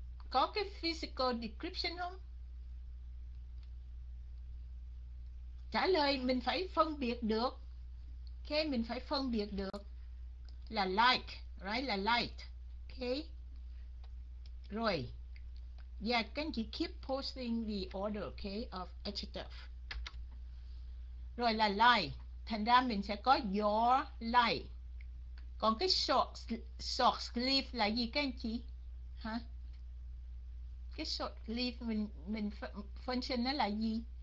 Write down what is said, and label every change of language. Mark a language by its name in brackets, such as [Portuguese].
[Vietnamese] Có cái physical description không? Trả lời, mình phải phân biệt được. Ok, mình phải phân biệt được là like, right, là light. Ok. Rồi. [English] Yeah, can you keep posting the order, okay, of adjective. [Vietnamese] Rồi là light. Thành ra mình sẽ có your light. Còn cái short sleeve là gì các anh chị? Hả? Cái short sleeve mình function nó là gì?